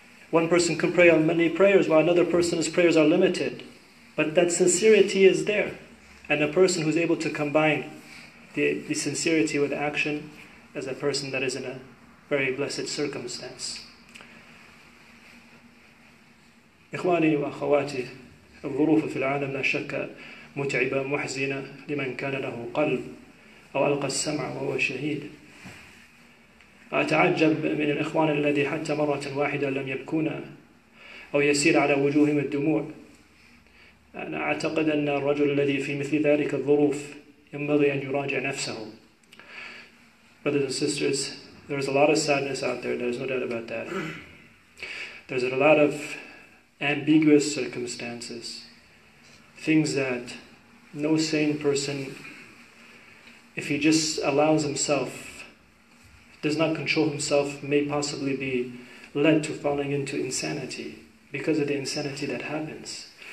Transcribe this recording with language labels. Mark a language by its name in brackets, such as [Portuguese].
[English] One person can pray on many prayers while another person's prayers are limited. But that sincerity is there. And a person who's able to combine the sincerity with action as a person that is in a very blessed circumstance. [Arabic] إخواني وأخواتي الظروف في العالم لا شك متعبة محزنة لمن كان له قلب أو ألقى السمع وهو شهيد أتعجب من الإخوان الذي حتى مرة واحدة لم يبكون أو يسير على وجوههم الدموع أنا أعتقد أن الرجل الذي في مثل ذلك الظروف ينبغي أن يراجع نفسه. [English] Brothers and sisters, there is a lot of sadness out there. There is no doubt about that. There is a lot of ambiguous circumstances, things that no sane person, if he just allows himself, does not control himself, may possibly be led to falling into insanity because of the insanity that happens.